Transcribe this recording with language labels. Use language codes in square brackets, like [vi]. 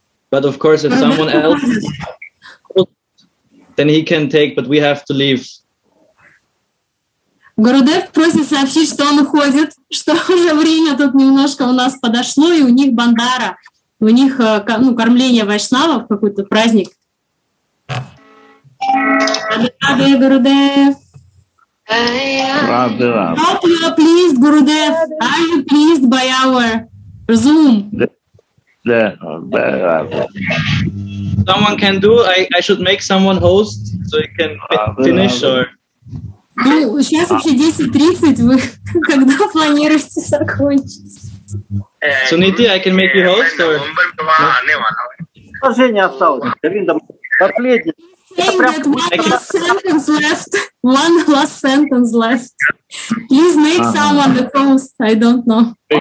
[en] But of course, if someone else, then he can take, but we have to leave. [ru] Гурудев просит сообщить, что он уходит, что уже время тут немножко у нас подошло, и у них бандара, у них, ну, кормление вайшнавов, какой-то праздник. Рады, Гурудев. Рады вам. [en] Help you, please, Гурудев. Are you pleased by our Zoom? [ru] Да. [en] Someone can do, I should make someone host, so you can finish, or... [ru] Ну, сейчас вообще 10:30, вы когда планируете закончить? [en] Суниди, I can make you host, or... [ru] Предложение осталось, Гавинда, последнее. [en] One last sentence left. Please make someone the host, I don't know.